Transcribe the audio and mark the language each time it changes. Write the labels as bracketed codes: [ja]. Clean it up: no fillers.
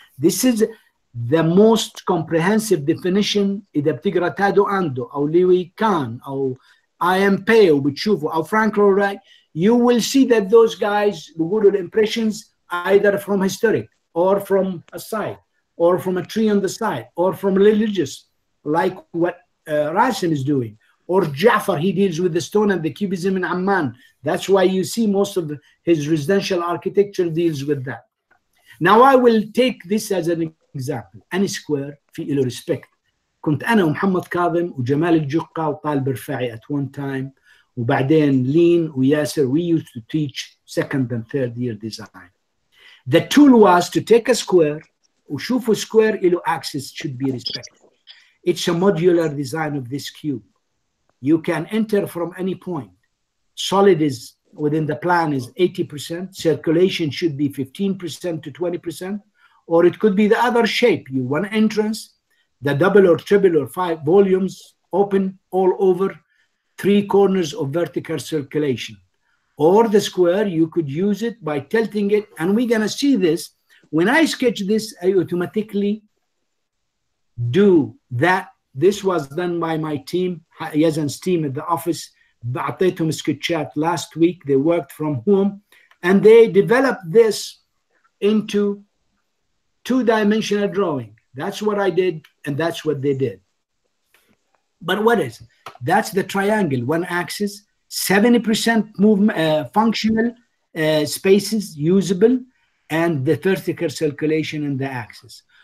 [en] This is the most comprehensive definition [ar] إذا بتقرأ تادو أندو أو ليوي كان أو آي أم باي وبتشوفه أو [en] Frank Lloyd Wright, you will see that those guys [ar] بقولوا [en] impressions either from historic or from a site or from a tree on the side or from religious, like what Rasim is doing. Or Jaffer, he deals with the stone and the cubism in Amman. That's why you see most of his residential architecture deals with that. Now I will take this as an example. Any square, [ar] في إله [en] respect. [ar] كنت أنا ومحمد كاظم وجمال الجقة وطالب رفاعي [en] at one time. [ar] وبعدين لين وياسر, [en] we used to teach second and third year design. The tool was to take a square [ar] وشوف [en] a square [ar] إله [en] axis should be respected. It's a modular design of this cube. You can enter from any point. Solid is within the plan is 80%. Circulation should be 15% to 20%. Or it could be the other shape. You want entrance, the double or triple or five volumes open all over three corners of vertical circulation. Or the square, you could use it by tilting it. And we're going to see this. When I sketch this, I automatically do that. This was done by my team, Yazan's team at the office. [ar] بعطيتهم سكتشات [en] last week. They worked from home. And they developed this into two-dimensional drawing. That's what I did, and that's what they did. But what is? That's the triangle, one axis, 70% movement, functional spaces, usable, and the vertical circulation in the axis.